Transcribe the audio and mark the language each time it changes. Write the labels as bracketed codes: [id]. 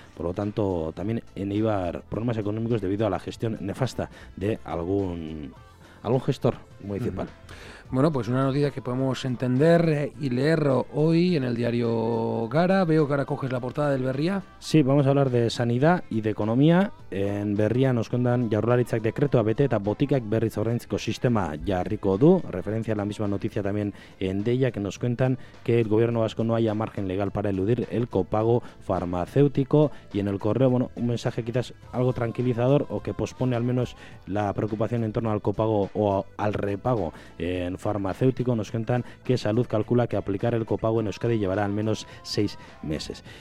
[es] Por lo tanto, también en Eibar problemas económicos debido a la gestión nefasta de algún gestor municipal. Bueno, pues una noticia que podemos entender y leer hoy en el diario Gara. Veo que ahora coges la portada del Berria. Sí, vamos a hablar de sanidad y de economía. En Berria nos cuentan [eu] Jaurlaritzak dekretua bete eta botikak berriz ordaintzeko sistema jarriko du. [es] Referencia a la misma noticia también en Deia, que nos cuentan que el gobierno vasco no haya margen legal para eludir el copago farmacéutico. Y en el correo, bueno, un mensaje quizás algo tranquilizador, o que pospone al menos la preocupación en torno al copago o al repago en farmacéutico, nos cuentan que Salud calcula que aplicar el copago en Euskadi llevará al menos 6 meses.